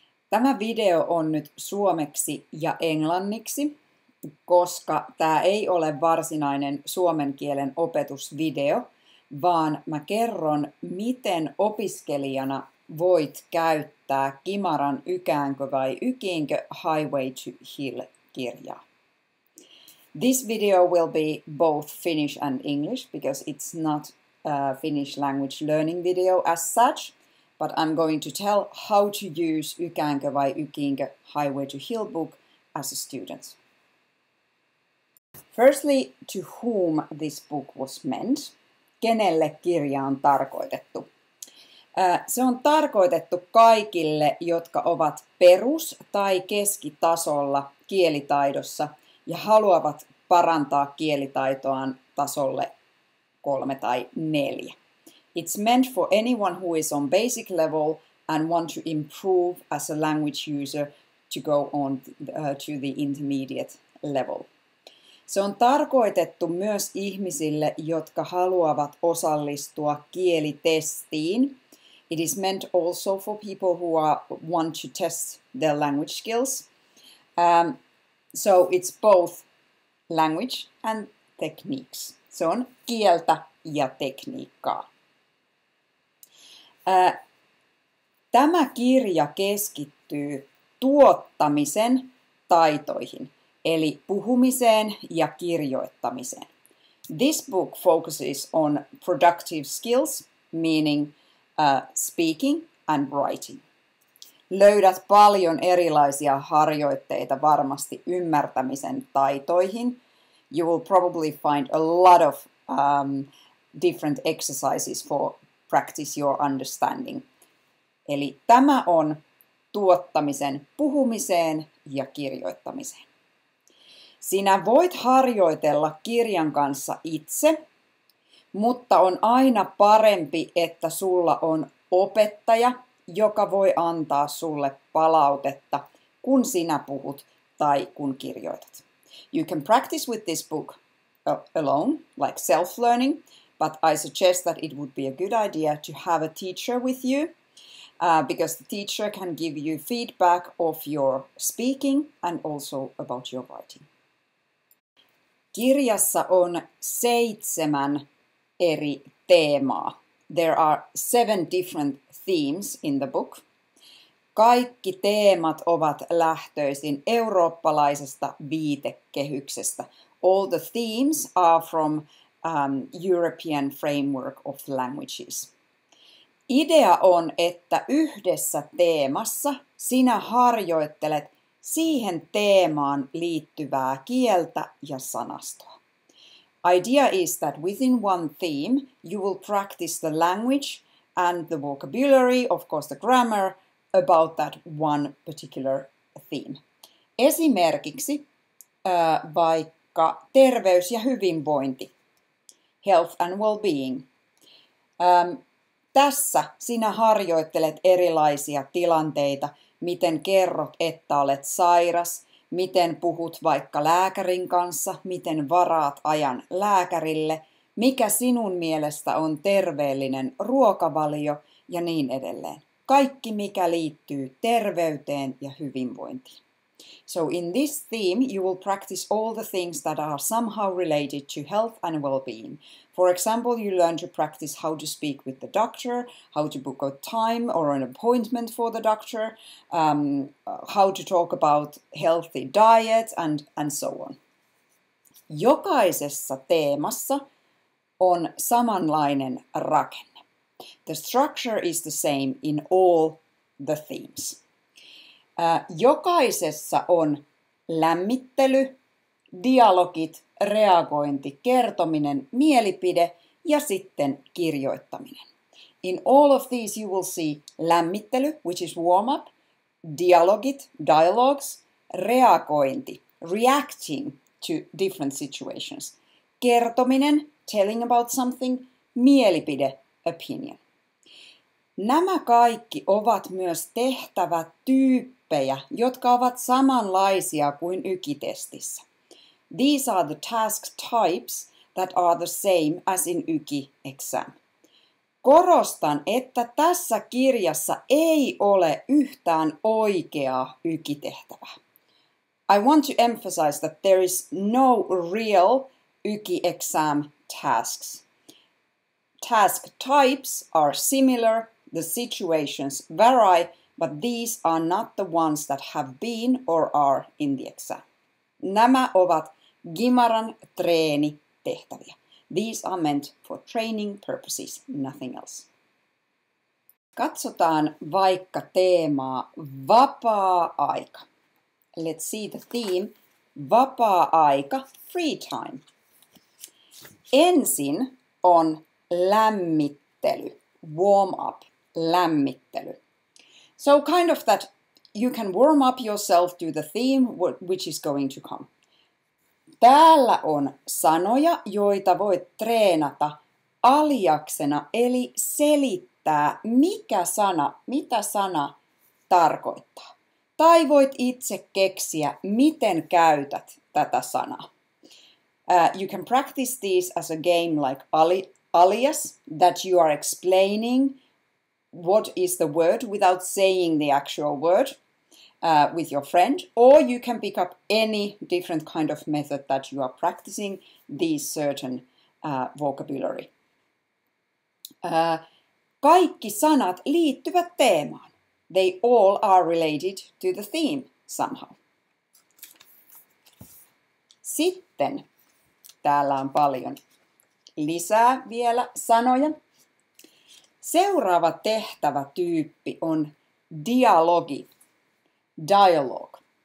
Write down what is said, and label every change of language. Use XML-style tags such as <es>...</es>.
<fi>Tämä video on nyt suomeksi ja englanniksi, koska tämä ei ole varsinainen suomen kielen opetusvideo, vaan mä kerron, miten opiskelijana voit käyttää Kimaran Ykäänkö vai Ykiinkö Highway to Hill-kirjaa.</fi> <en>This video will be both Finnish and English, because it's not a Finnish language learning video as such. But I'm going to tell how to use Ykäänkö vai Ykiinkö Highway to Hill book as a student. Firstly, to whom this book was meant.</en> <fi>Kenelle kirja on tarkoitettu? Se on tarkoitettu kaikille, jotka ovat perus- tai keskitasolla kielitaidossa ja haluavat parantaa kielitaitoaan tasolle 3 tai 4.</fi> <en>It's meant for anyone who is on basic level and want to improve as a language user to go on to the intermediate level.</en> <fi>Se on tarkoitettu myös ihmisille, jotka haluavat osallistua kielitestiin.</fi> <en>It is meant also for people who want to test their language skills. So it's both language and techniques.</en> <fi>Se on kieltä ja tekniikkaa. Tämä kirja keskittyy tuottamisen taitoihin, eli puhumiseen ja kirjoittamiseen.</fi> <en>This book focuses on productive skills, meaning speaking and writing.</en> <fi>Löydät paljon erilaisia harjoitteita varmasti ymmärtämisen taitoihin.</fi> <en>You will probably find a lot of different exercises for practice your understanding.</en> <fi>Eli tämä on tuottamisen puhumiseen ja kirjoittamiseen. Sinä voit harjoitella kirjan kanssa itse, mutta on aina parempi, että sulla on opettaja, joka voi antaa sulle palautetta, kun sinä puhut tai kun kirjoitat.</fi> <en>You can practice with this book alone, like self-learning. But I suggest that it would be a good idea to have a teacher with you, because the teacher can give you feedback of your speaking and also about your writing.</en> <fi>Kirjassa on 7 eri teemaa.</fi> <en>There are 7 different themes in the book.</en> <fi>Kaikki teemat ovat lähtöisin eurooppalaisesta viitekehyksestä.</fi> <en>All the themes are from European framework of languages.</en> <fi>Idea on, että yhdessä teemassa sinä harjoittelet siihen teemaan liittyvää kieltä ja sanastoa.</fi> <en>Idea is that within one theme you will practice the language and the vocabulary, of course the grammar, about that one particular theme.</en> <fi>Esimerkiksi vaikka terveys ja hyvinvointi.</fi> <en>Health and well-being.</en> <fi>Tässä sinä harjoittelet erilaisia tilanteita, miten kerrot, että olet sairas, miten puhut vaikka lääkärin kanssa, miten varaat ajan lääkärille, mikä sinun mielestä on terveellinen ruokavalio ja niin edelleen. Kaikki, mikä liittyy terveyteen ja hyvinvointiin.</fi> <en>So in this theme, you will practice all the things that are somehow related to health and well-being. For example, you learn to practice how to speak with the doctor, how to book a time or an appointment for the doctor, how to talk about healthy diet, and so on.</en> <fi>Jokaisessa teemassa on samanlainen rakenne.</fi> <en>The structure is the same in all the themes.</en> <fi>Jokaisessa on lämmittely, dialogit, reagointi, kertominen, mielipide ja sitten kirjoittaminen.</fi> <en>In all of these you will see lämmittely, which is warm up, dialogit, dialogues, reagointi, reacting to different situations, kertominen, telling about something, mielipide, opinion.</en> <fi>Nämä kaikki ovat myös tehtävätyyppejä, jotka ovat samanlaisia kuin YKI-testissä.</fi> <en>These are the task types that are the same as in YKI exam.</en> <fi>Korostan, että tässä kirjassa ei ole yhtään oikeaa ykitehtävää.</fi> <en>I want to emphasize that there is no real UKI exam tasks. Task types are similar, the situations vary, but these are not the ones that have been or are in the exam.</en> <fi>Nämä ovat Gimaran treenitehtäviä.</fi> <en>These are meant for training purposes, nothing else.</en> <fi>Katsotaan vaikka teemaa vapaa-aika.</fi> <en>Let's see the theme, vapaa-aika, free time.</en> <fi>Ensin on lämmittely, warm up, lämmittely.</fi> <en>So kind of that you can warm up yourself to the theme which is going to come.</en> <fi>Täällä on sanoja, joita voit treenata alijaksena, eli selittää, mitä sana tarkoittaa. Tai voit itse keksiä, miten käytät tätä sanaa.</fi> <en>You can practice these as a game like alias, that you are explaining what is the word without saying the actual word with your friend. Or you can pick up any different kind of method that you are practicing these certain vocabulary.</en> <fi>Kaikki sanat liittyvät teemaan.</fi> <en>They all are related to the theme somehow.</en> <fi>Sitten täällä on paljon lisää vielä sanoja. Seuraava tehtävätyyppi on dialogi, dialogue.</fi>